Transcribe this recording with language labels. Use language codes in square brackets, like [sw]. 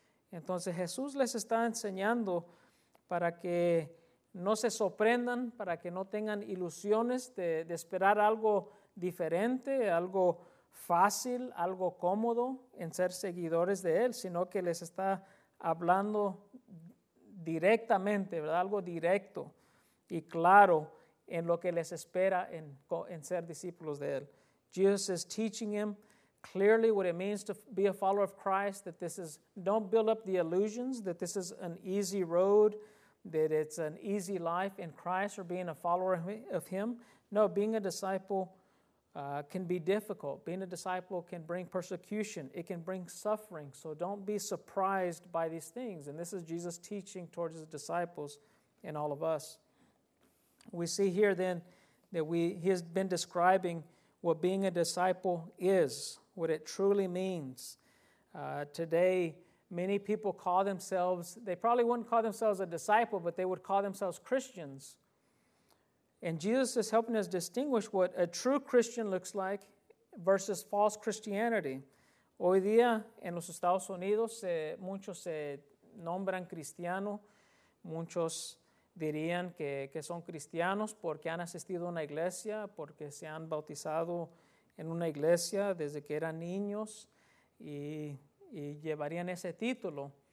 [es] Entonces Jesús les está enseñando para que no se sorprendan, para que no tengan ilusiones de esperar algo diferente, algo fácil, algo cómodo en ser seguidores de Él, sino que les está hablando directamente, ¿verdad? Algo directo y claro en lo que les espera en ser discípulos de Él. [en] Jesus is teaching him clearly what it means to be a follower of Christ, that this is, don't build up the illusions, that this is an easy road, that it's an easy life in Christ or being a follower of Him. No, being a disciple can be difficult. Being a disciple can bring persecution. It can bring suffering. So don't be surprised by these things. And this is Jesus teaching towards His disciples and all of us. We see here then that He has been describing what being a disciple is, what it truly means. Today, many people call themselves, they probably wouldn't call themselves a disciple, but they would call themselves Christians. And Jesus is helping us distinguish what a true Christian looks like versus false Christianity. [es] Hoy día, en los Estados Unidos, muchos se nombran cristiano. Muchos dirían que son cristianos porque han asistido a una iglesia, porque se han bautizado en una iglesia desde que eran niños y llevarían ese título.